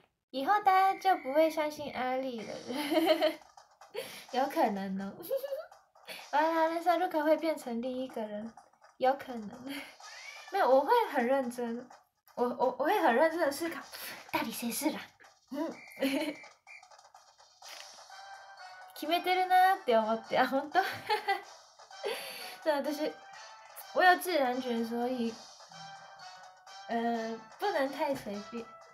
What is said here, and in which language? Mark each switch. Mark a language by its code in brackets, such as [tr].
[zh] 以后大家就不会相信阿丽了。有可能哦。完了，那时候 Luca 会变成另一个人，有可能。没有，我会很认真，我会很认真的思考到底谁是狼。 [ja] 決めてるなって思って、あ、本当。 [zh] 那 [ja] 私 [zh] 我有自然卷，所以不能太随便。